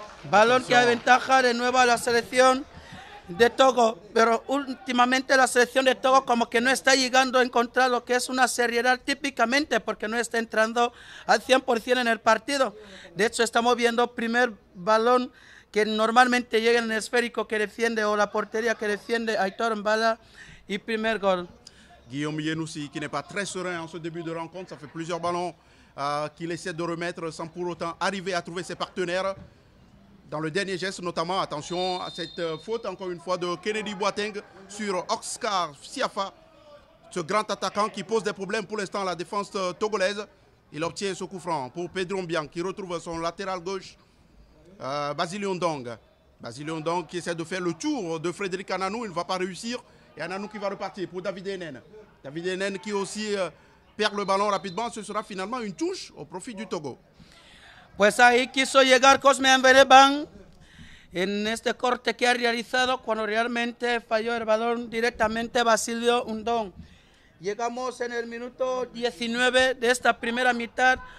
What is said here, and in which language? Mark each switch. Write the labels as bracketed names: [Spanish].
[Spanish] Balón que aventaja de nuevo a la selección de Togo, pero últimamente la selección de Togo como que no está llegando a encontrar lo que es una seriedad típicamente, porque no está entrando al 100% en el partido. De hecho, estamos viendo primer balón que normalmente llega en el esférico que defiende o la portería que defiende Aitor Mbala y primer gol. [French] Guillaume Yen aussi, qui n'est pas très serein en ce début de rencontre. Ça fait plusieurs ballons qu'il essaie de remettre sans pour autant arriver à trouver ses partenaires. Dans le dernier geste notamment, attention à cette faute encore une fois de Kennedy Boateng sur Oscar Siafa. Ce grand attaquant qui pose des problèmes pour l'instant à la défense togolaise. Il obtient ce coup franc pour Pedro Mbian qui retrouve son latéral gauche, Basile Ondong. Basile Ondong qui essaie de faire le tour de Frédéric Ananou, il ne va pas réussir. Et Ananou qui va repartir pour David Hénène. David Hénène qui aussi perd le ballon rapidement. Ce sera finalement une touche au profit du Togo. [Spanish] Pues ahí quiso llegar Cosme Embeleban en este corte que ha realizado cuando realmente falló el balón directamente Basilio Undón. Llegamos en el minuto 19 de esta primera mitad.